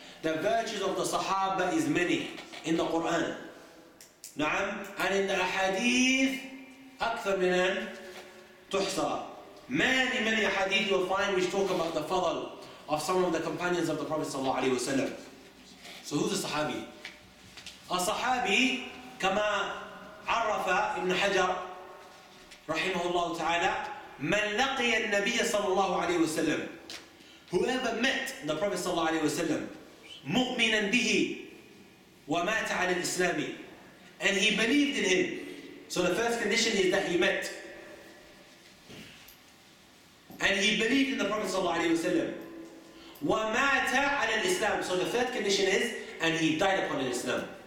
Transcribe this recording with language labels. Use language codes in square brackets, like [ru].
[en] The virtues of the Sahaba is many in the Quran. نعم and in the Ahadith أكثر من أن تحصى Many hadith you'll find which talk about the fadl of some of the companions of the Prophet sallallahu alayhi wa sallam. So who's a sahabi? [ar] A sahabi, كما عرف ابن حجر رحمه الله تعالى من لقي النبي صلى الله عليه وسلم Whoever met the Prophet صلى الله عليه وسلم مؤمنا به ومات على الإسلام And he believed in him. [en] So the first condition is that he met. And he believed in the Prophet صلى الله عليه وسلم. [ar] ومات على الإسلام. [en] So the third condition is, and he died upon an Islam.